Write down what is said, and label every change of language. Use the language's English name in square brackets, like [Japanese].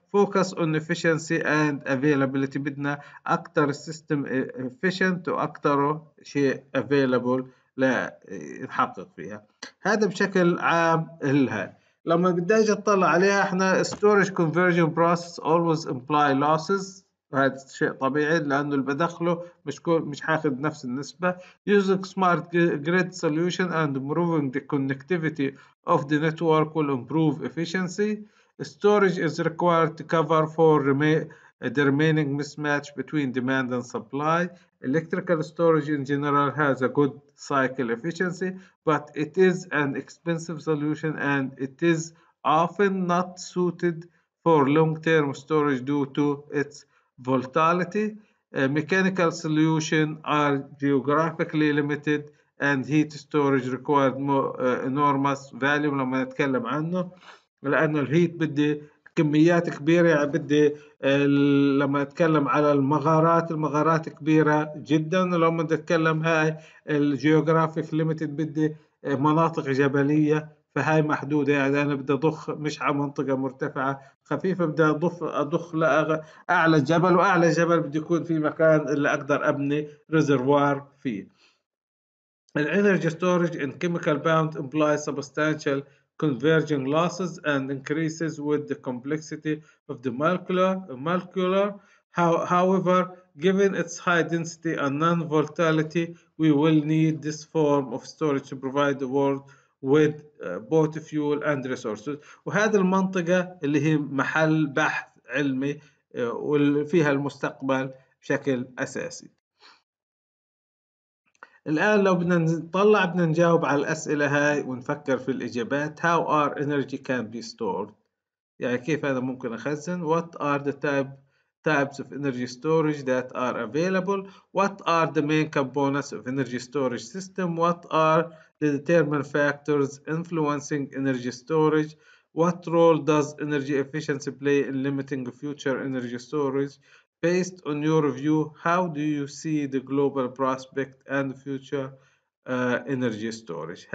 [English] Focus on efficiency and availability، [Arabic] بدنا أكتر system efficient وأكتر شيء available لنحقق فيها. هذا بشكل عام الها. لما بدي اجي اطلع عليها احنا [English] storage conversion process always imply losses، [Arabic] وهذا شيء طبيعي لانه اللي بدخله مش حاخذ نفس النسبه. [English] using smart grid solution and improving the connectivity of the network will improve efficiency. storage is required to cover for the remaining mismatch between demand and supply. Electrical storage in general has a good cycle efficiency, but it is an expensive solution and it is often not suited for long-term storage due to its volatility. Mechanical solutions are geographically limited and heat storage required enormous volume. [Arabic] لما نتكلم عنه لأنه الهيت بدي كميات كبيرة، يعني بدي لما أتكلم على المغارات كبيرة جدا، لما أتكلم هاي الجيوغرافيك ليميتد بدي مناطق جبلية فهاي محدودة، يعني أنا بدي أضخ مش على منطقة مرتفعة خفيفة، بدي أضخ لأعلى جبل، وأعلى جبل بدي يكون في مكان اللي أقدر أبني ريزروار فيه. [English] الانرجي storage in chemical bond employ substantial converging losses and increases with the complexity of the molecular. However, given its high density and non-volatility, we will need this form of storage to provide the world with both fuel and resources. [Arabic] وهذه المنطقة اللي هي محل بحث علمي وفيها المستقبل بشكل أساسي. الآن لو بدنا نطلع بدنا نجاوب على الأسئلة هاي ونفكر في الإجابات. [English] How are energy can be stored؟ [Arabic] يعني كيف أنا ممكن أخزن؟ [English] What are the types of energy storage that are available؟ What are the main components of energy storage system؟ What are the determining factors influencing energy storage؟ What role does energy efficiency play in limiting future energy storage؟ Based on your view, how do you see the global prospect and future energy storage?